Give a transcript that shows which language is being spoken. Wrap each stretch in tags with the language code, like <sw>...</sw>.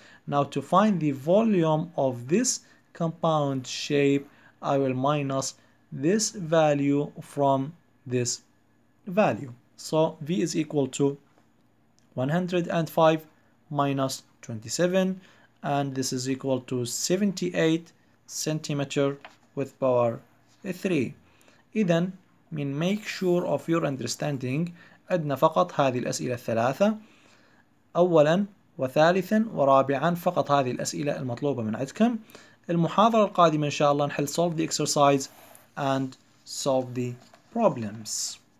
<en>Now to find the volume of this compound shape, I will minus this value from this value. So V is equal to 105 minus 27, and this is equal to 78 centimeter with power 3.</en> <ar>إذن من</ar> <en>make sure of your understanding،</en> <ar>عندنا فقط هذه الأسئلة الثلاثة أولا وثالثا ورابعا، فقط هذه الأسئلة المطلوبة من عندكم. المحاضرة القادمة إن شاء الله نحل</ar> <en>solve the exercise and solve the problems.</en>